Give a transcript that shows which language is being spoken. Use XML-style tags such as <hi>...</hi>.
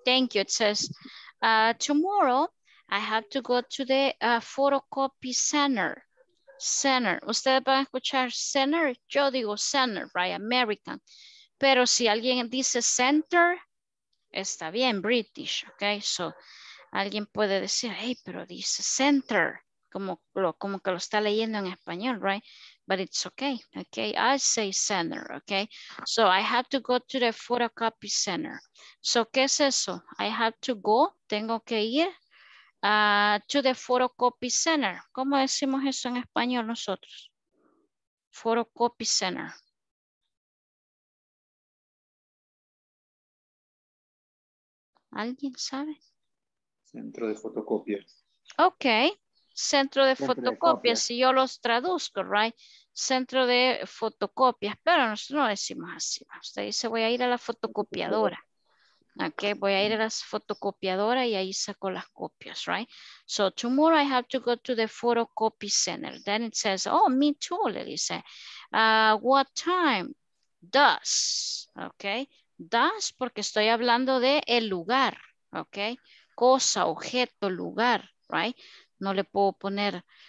<en>Thank you. It says, tomorrow I have to go to the photocopy center.</en> <es>Center. Ustedes van a escuchar center. Yo digo center, right? American. Pero si alguien dice center, está bien, British, ok. So, alguien puede decir, hey, pero dice center, como que lo está leyendo en español, right?</es> <en>But it's okay, ok. I say center, ok. So, I have to go to the photocopy center. So,</en> <es>¿qué es eso?</es> <en>I have to go,</en> <es>tengo que ir</es> <en>to the photocopy center.</en> <es>¿Cómo decimos eso en español nosotros? Photocopy center. ¿Alguien sabe? Centro de fotocopias. Ok. Centro de fotocopias. Si yo los traduzco, right? Centro de fotocopias. Pero nosotros no decimos así. Usted dice, voy a ir a la fotocopiadora. Ok. Voy a ir a la fotocopiadora y ahí saco las copias, right?</es> <en>So, tomorrow I have to go to the photocopy center. Then it says, oh, me too,</en> <es>le dice.</es> <en>What time does, ok, does,</en> <es>porque estoy hablando de el lugar, ok, cosa, objeto, lugar, right, no le puedo poner</es>